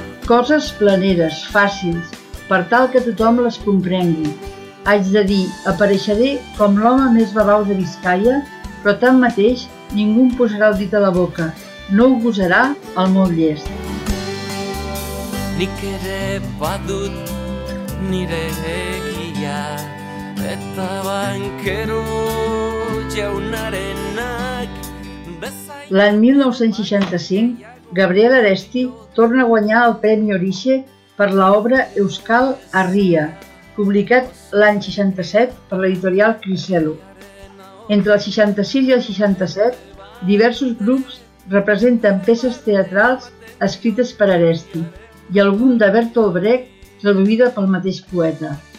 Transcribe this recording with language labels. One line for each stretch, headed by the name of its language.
Catalan: Coses planeres, fàcils, per tal que tothom les comprengui, haig de dir, apareixeré com l'home més babau de Biscaia, però tanmateix ningú em posarà el dit a la boca, no ho gosarà el meu llest.
Basque: Nik ere badut nire egia, eta bankero jaunarenak bezai...
Catalan: L'any 1965, Gabriel Aresti torna a guanyar el Premi Orixe per l'obra Euskal Harria, publicat l'any 67 per l'editorial Criselo. Entre el 66 i el 67, diversos grups representen peces teatrals escrites per Aresti i algun de Bertolt Brecht traduïda pel mateix poeta.